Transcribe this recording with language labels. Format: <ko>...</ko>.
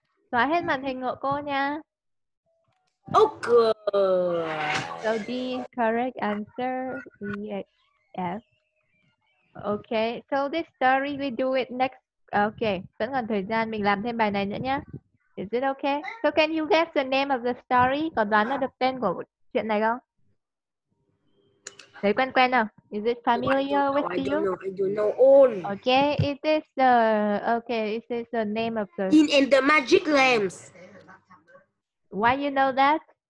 <vi>Xóa hết màn hình của cô nha.</vi> <en>Ok. So the correct answer is yes. Okay. So this story we do it next. Okay.</en> <vi>Vẫn còn thời gian. Mình làm thêm bài này nữa nhé.</vi> <en>Is it okay? So can you guess the name of the story?</en> <vi>Có đoán được tên của chuyện này không? Thấy quen quen không?</vi> <en>Is it familiar with you? I don't know. I don't know all. Okay, it is the name of the In and the Magic Lamps. Why you know that?</en>